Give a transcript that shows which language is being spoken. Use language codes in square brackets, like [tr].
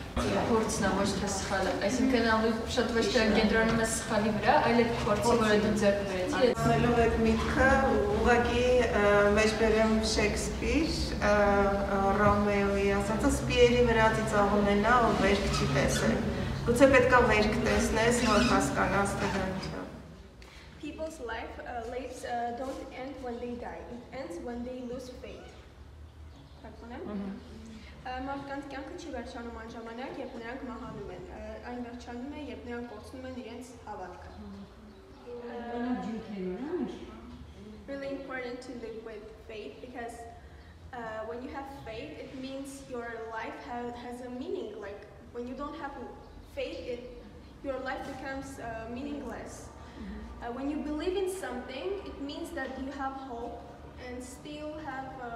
[hy] Փորձն է ոչ թե սխալը, այսինքն ավելի շատ ոչ թե կենտրոնում ես սխալի վրա, այլ այդ փորձը, որը դու ձեռք բերեցի։ Ասելով այդ միտքը, ուղղակի մեջբերեմ Շեքսպիր, Ռոմեոյի ասածը, սպիերի վրա ծիծաղում են նա, ով վերք չի տեսել։ Գուցե պետք է վերք տեսնես, որ հասկանաս թե դա ինչ է։ [en] People's lives don't end when they die, it ends when they lose faith. [hy] Մարդկանց կյանքը չի վերջանում այն ժամանակ, երբ նրանք մահանում են, այն վերջանում է, երբ նրանք կորցնում են իրենց հավատքը։ [en] Really important to live with faith, because when you have faith, it means your life has a meaning. Like, when you don't have faith, your life becomes meaningless. When you believe in something, it means that you have hope and still have